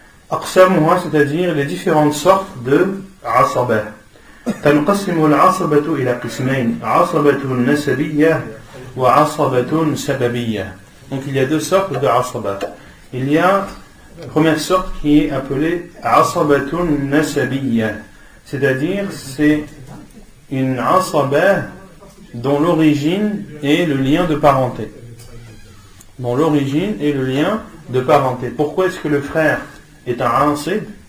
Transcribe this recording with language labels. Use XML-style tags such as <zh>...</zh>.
<fr>Aqsamuha, c'est-à-dire les différentes sortes de asabat.</fr> <ar>تنقسم العصبة إلى قسمين عصبة نسبية وعصبة سببية.</ar> <fr>Donc il y a deux sortes de asabah. Il y a la première sorte qui est appelée عصبة نسبية, c'est-à-dire c'est une asabah dont l'origine est le lien de parenté. Dont l'origine est le lien de parenté. Pourquoi est-ce que le frère est un ansib?</fr>